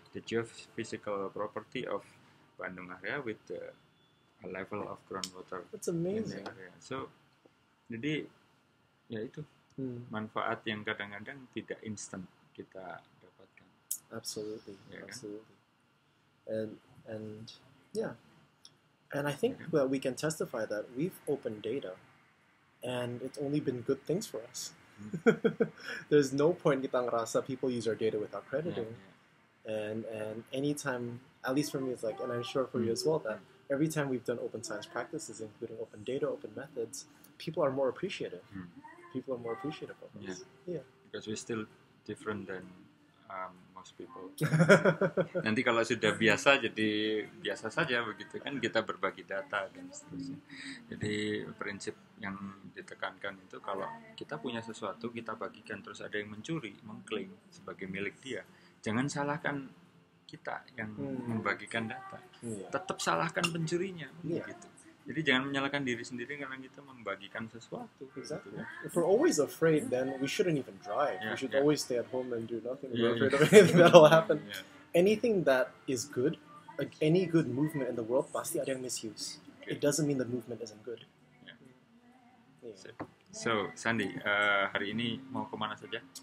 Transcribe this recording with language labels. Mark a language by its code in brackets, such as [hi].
[en] the geophysical property of Bandung area with the level of groundwater. That's amazing. [id] So, jadi ya itu manfaat yang kadang-kadang tidak instan kita dapatkan. [en] Absolutely, [id] ya kan? [en] Absolutely. And yeah, and I think that we can testify that we've opened data, and it's only been good things for us. There's no point [id] kita ngerasa [en] people use our data without crediting, and anytime, at least for me, it's like, and I'm sure for you as well, that every time we've done open science practices, including open data, open methods, people are more appreciative. People are more appreciative of us. Because we're still different than most people. [id] Nanti kalau sudah biasa, jadi biasa saja begitu kan, kita berbagi data dan seterusnya. Jadi prinsip yang ditekankan itu, kalau kita punya sesuatu, kita bagikan, terus ada yang mencuri, mengklaim sebagai milik dia, jangan salahkan kita yang membagikan data. Tetap salahkan pencurinya. Gitu. Jadi jangan menyalahkan diri sendiri karena kita membagikan sesuatu. [en] Exactly. Gitu. If we're always afraid, then we shouldn't even drive. Yeah, we should always stay at home and do nothing. We're afraid of anything that'll happen. Anything that is good, like any good movement in the world, [id] pasti ada yang [en] misuse. Okay. It doesn't mean the movement isn't good. [id] So, Sandy, hari ini mau kemana saja?